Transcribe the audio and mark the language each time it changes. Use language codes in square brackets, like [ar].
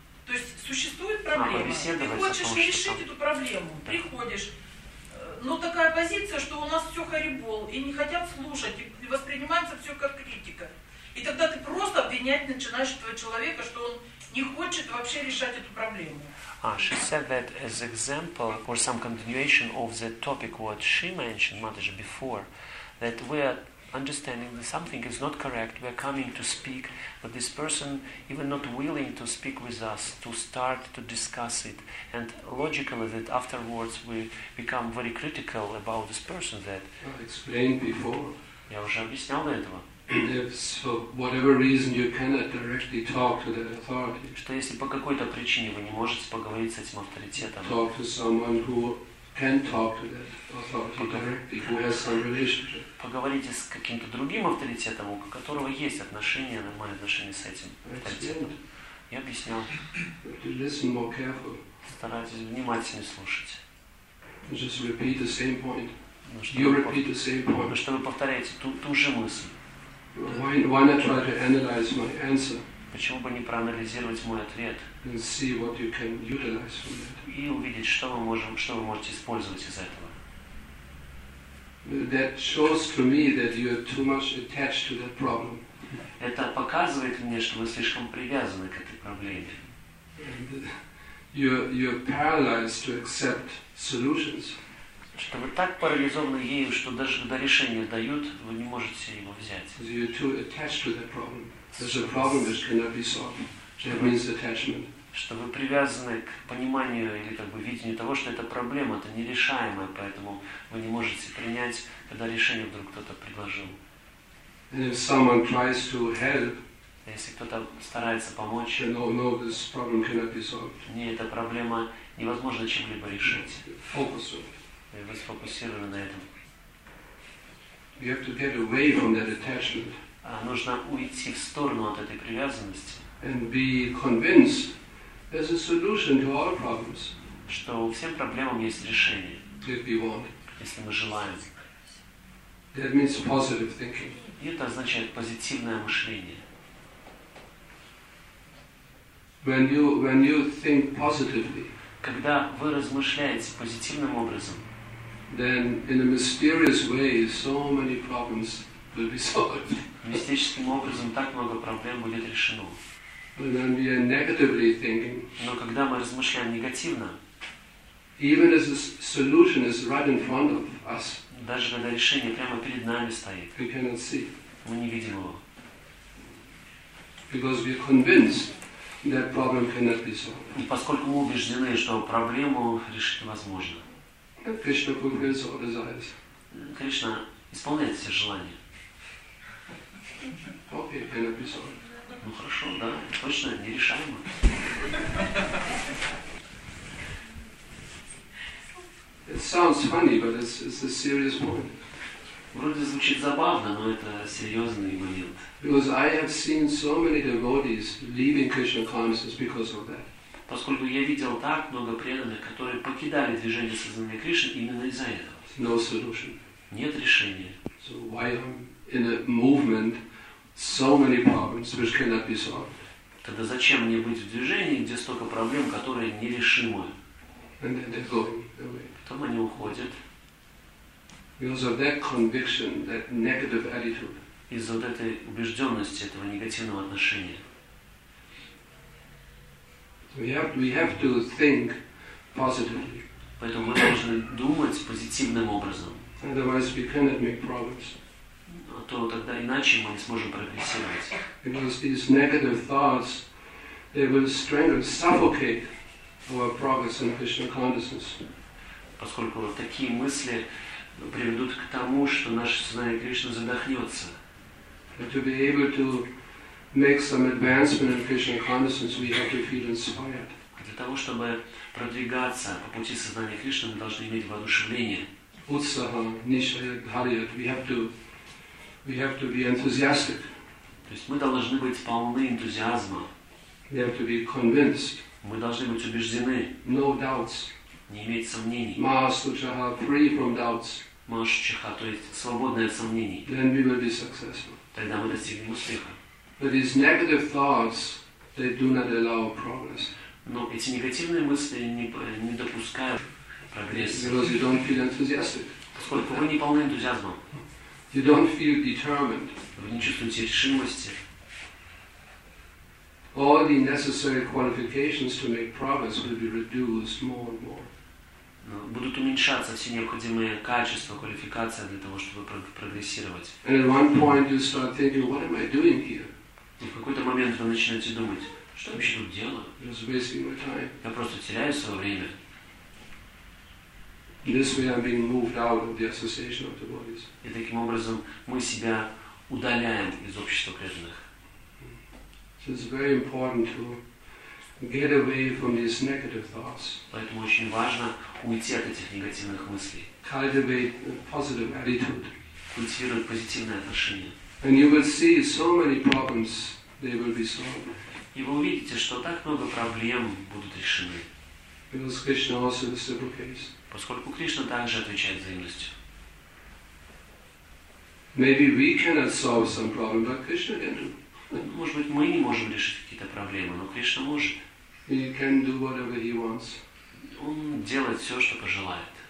[ru] То есть существует проблема. Ты хочешь решить эту проблему, приходишь. Но такая позиция, что у нас все харибол, и не хотят слушать, и воспринимается все как критика. И тогда ты просто обвинять начинаешь этого человека, что он не хочет вообще решать эту проблему. [en] She said that as example or some continuation of the topic what she mentioned, Mataji, before, that we are understanding that something is not correct, we are coming to speak, but this person even not willing to speak with us, to start to discuss it. And logically that afterwards we become very critical about this person that... I explained before. [ru] Я уже объяснял до этого. [en] If for whatever reason you cannot directly talk to the authority, [ru] что если по какой-то причине вы не можете поговорить с этим авторитетом, [en] talk to someone who can talk to that authority directly, who has some relationship. [ru] Поговорите с каким-то другим авторитетом, у которого есть отношения, нормальные отношения с этим авторитетом. Я объяснял. [en] Listen more carefully. [ru] Старайтесь внимательнее слушать. [en] Just repeat the same point. You repeat the same point. [ru] Ну что вы повторяете ту же мысль. [en] Why not try to analyze my answer? [ru] Почему бы не проанализировать мой ответ? [en] And see what you can utilize from that. [ru] И увидеть, что вы можете использовать из этого. [en] That shows to me that you are too much attached to that problem. [ru] Это показывает мне, что вы слишком привязаны к этой проблеме. [en] You're paralyzed to accept solutions. [ru] Что вы так парализованы ею, что даже когда решение дают, вы не можете его взять. [en] You're too attached to that problem. There's a problem which cannot be solved. That means attachment. [ru] Что вы привязаны к пониманию или как бы видению того, что это проблема, это нерешаемая, поэтому вы не можете принять, когда решение вдруг кто-то предложил. [en] And if someone tries to help, [ru] если кто-то старается помочь, [en] no, this problem cannot be solved. [ru] Не, эта проблема невозможно чем-либо решить. [en] Focus on. [ru] И вы сфокусированы на этом. [en] You have to get away from that attachment. [ru] А нужно уйти в сторону от этой привязанности. [en] And be convinced there's a solution to all problems. [ru] Что у всех проблем есть решение. [en] If we want. [ru] Если мы желаем. [en] That means positive thinking. [ru] И это означает позитивное мышление. [en] When you think positively. [ru] Когда вы размышляете позитивным образом. [en] Then, in a mysterious way, so many problems will be solved. [ru] Мистическим образом так много проблем будет решено. [en] But when we are negatively thinking, [ru] но когда мы размышляем негативно, [en] even as the solution is right in front of us, [ru] даже когда решение прямо перед нами стоит, [en] we cannot see. [ru] Мы не видим его. [en] Because we are convinced that problem cannot be solved. [ru] И поскольку мы убеждены, что проблему решить невозможно. [en] Krishna fulfills all desires. [ru] Krishna исполняет все желания. [en] Okay, cannot be solved. [ru] Ну хорошо, да, точно, нерешаемо. [en] It sounds funny, but it's a serious point. [ru] Вроде звучит забавно, но это серьезный момент. [en] Because I have seen so many devotees leaving Krishna consciousness because of that. [ru] Поскольку я видел так много преданных, которые покидали движение сознания Кришны именно из-за этого. [en] No solution. [ru] Нет решения. [en] So why am in a movement so many problems which cannot be solved? [ru] Тогда зачем мне быть в движении, где столько проблем, которые нерешимы? [en] And then they go away. [ru] Потом они уходят. [en] Because of that conviction, that negative attitude. [ru] Из-за вот этой убежденности, этого негативного отношения. [en] We have to think positively. [ru] Поэтому мы должны думать позитивным образом. [en] Otherwise, we cannot make progress. [ru] А то тогда иначе мы не сможем прогрессировать. [en] Because these negative thoughts they will strangle, suffocate our progress in Krishna consciousness. [ru] Поскольку такие мысли приведут к тому, что наше сознание Кришны задохнется. [en] But to be able to make some advancement in Krishna consciousness, we have to feel inspired. [ru] Для того, чтобы продвигаться по пути сознания Кришны, мы должны иметь воодушевление. [sa] Utsaha, nishaya, bhariyat, [en] we have to be enthusiastic. [ru] То есть мы должны быть полны энтузиазма. [en] We have to be convinced. [ru] Мы должны быть убеждены. [en] No doubts. [ru] Не иметь сомнений. [en] Mahasuchaha, free from doubts. [ru] Mahasuchaha, то есть свободное от сомнений. [en] Then we will be successful. [ru] Тогда мы достигнем успеха. [en] But these negative thoughts, they do not allow progress. [ru] Но эти негативные мысли не допускают прогресса. [en] Because you don't feel enthusiastic. [ru] Поскольку вы не полны энтузиазма. [en] You don't feel determined. [ru] Вы не чувствуете решимости. [en] All the necessary qualifications to make progress will be reduced more and more. [ru] Будут уменьшаться все необходимые качества, квалификация для того, чтобы прогрессировать. [en] And at one point you start thinking, what am I doing here? [ru] И в какой-то момент вы начинаете думать, что вообще тут делаю? [en] Just wasting my time. [ru] Я просто теряю свое время. [en] This way I'm being moved out of the association of the bodies. [ru] И таким образом мы себя удаляем из общества преданных. [en] So it's very important to get away from these negative thoughts. [ru] Поэтому очень важно уйти от этих негативных мыслей. [en] Cultivate a positive attitude. [ru] Культивировать позитивное отношение. [en] And you will see so many problems they will be solved. [ru] И вы увидите, что так много проблем будут решены. [en] Because Krishna also reciprocates. [ru] Поскольку Кришна также отвечает взаимностью. [en] Maybe we cannot solve some problem, but Krishna can do. [ru] Может быть, мы не можем решить какие-то проблемы, но Кришна может. [en] He can do whatever he wants. [ru] Он делает все, что пожелает.